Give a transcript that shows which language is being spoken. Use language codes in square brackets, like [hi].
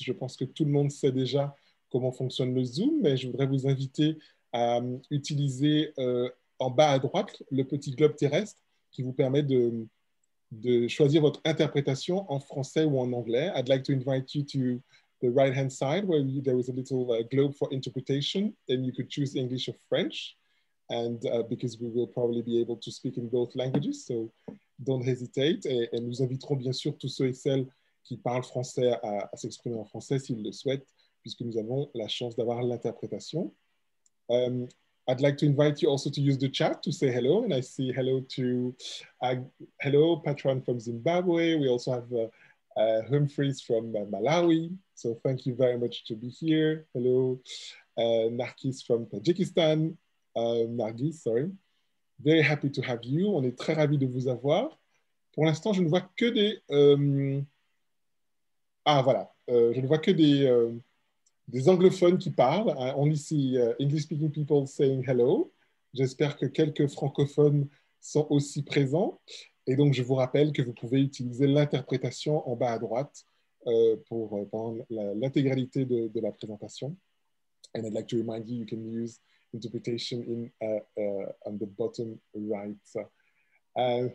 [fr] Je pense que tout le monde sait déjà comment fonctionne le Zoom, mais je voudrais vous inviter à utiliser en bas à droite le petit globe terrestre qui vous permet de choisir votre interprétation en français ou en anglais. [en] I'd like to invite you to the right-hand side where there is a little globe for interpretation, and you could choose English or French, and because we will probably be able to speak in both languages, so don't hesitate. [fr] Et nous inviterons bien sûr tous ceux et celles qui parlent français à s'exprimer en français s'ils le souhaitent, puisque nous avons la chance d'avoir l'interprétation. [en] I'd like to invite you also to use the chat to say hello, and I see hello to hello patron from Zimbabwe. We also have Humphreys from Malawi, so thank you very much to be here. Hello, Narkis from Tajikistan. Nargis, sorry. Very happy to have you. [fr] On est très ravis de vous avoir. Pour l'instant, je ne vois que des des anglophones qui parlent. [en] I only see English-speaking people saying hello. [fr] J'espère que quelques francophones sont aussi présents. Et donc, je vous rappelle que vous pouvez utiliser l'interprétation en bas à droite pour l'intégralité de la présentation. [en] And I'd like to remind you, you can use interpretation in on the bottom right.